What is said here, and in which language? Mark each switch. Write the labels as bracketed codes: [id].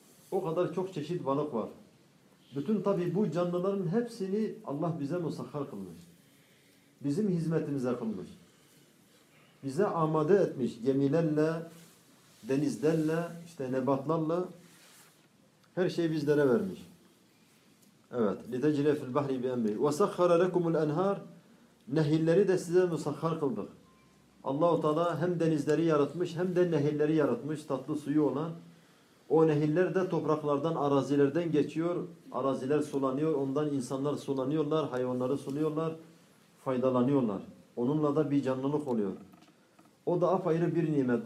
[tr] O kadar çok çeşit balık var. Bütün tabi bu canlıların hepsini Allah bize musahhar kılmış. Bizim hizmetimize kılmış. Bize amade etmiş gemilerle, denizlerle, işte nebatlarla. Her şeyi bizlere vermiş. Evet. [ar] لِتَجْرِيَ فِي الْبَحْرِ بِأَمْرِهِ وَسَخَّرَ لَكُمُ الْاَنْهَارِ [tr] Nehirleri de size musahhar kıldık. Allah-u Teala hem denizleri yaratmış hem de nehirleri yaratmış, tatlı suyu olan. O nehirler de topraklardan, arazilerden geçiyor. Araziler sulanıyor, ondan insanlar sulanıyorlar, hayvanları suluyorlar, faydalanıyorlar. Onunla da bir canlılık oluyor. O da apayrı bir nimet.